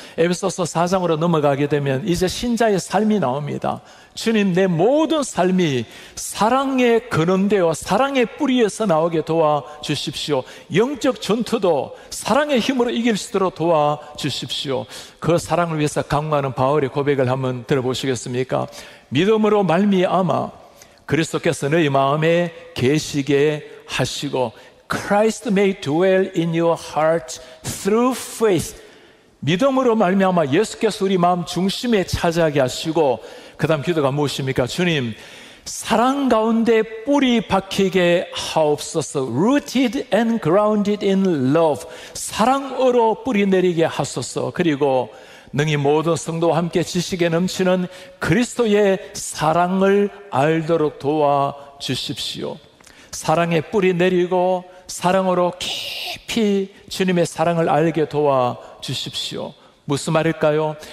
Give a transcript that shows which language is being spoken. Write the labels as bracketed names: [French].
[Korean] 에베소서 4장으로 넘어가게 되면 이제 신자의 삶이 나옵니다. 주님, 내 모든 삶이 사랑의 근원되어 사랑의 뿌리에서 나오게 도와주십시오. 영적 전투도 사랑의 힘으로 이길 수 있도록 도와주십시오. 그 사랑을 위해서 강구하는 바울의 고백을 한번 들어보시겠습니까? 믿음으로 말미암아 그리스도께서 너희 마음에 계시게 하시고, [English] Christ may dwell in your heart through faith. [Korean] 믿음으로 말미암아 예수께서 우리 마음 중심에 차지하게 하시고, 그 다음 기도가 무엇입니까? 주님, 사랑 가운데 뿌리 박히게 하옵소서. [English] Rooted and grounded in love. [Korean] 사랑으로 뿌리 내리게 하소서. 그리고 능히 모든 성도와 함께 지식에 넘치는 그리스도의 사랑을 알도록 도와주십시오. 사랑에 뿌리 내리고 사랑으로 깊이 주님의 사랑을 알게 도와주십시오. 무슨 말일까요?